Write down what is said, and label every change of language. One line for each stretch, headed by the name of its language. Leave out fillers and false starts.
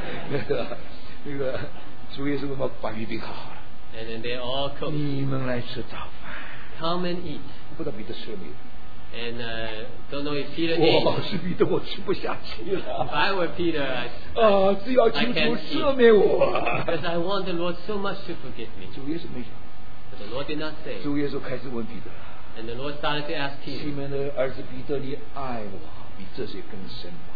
Chinese: 那个主耶稣把鱼饼烤好了。
English: And then they all cook.
Chinese: 你们来吃早饭。
English: Come and eat.
Chinese: 不知道彼得吃了没有。
English: And don't know if Peter ate.
Chinese: 我是彼得，我吃不下去了。
English: If I were Peter, I
Chinese: 只要求主赦免我。
English: Because I want the Lord so much to forgive me.
Chinese: 主耶稣没讲。
English: But the Lord did not say.
Chinese: 主耶稣开始问彼得。
English: And the Lord started to ask him.
Chinese: 西门的儿子彼得，你爱我比这些更深。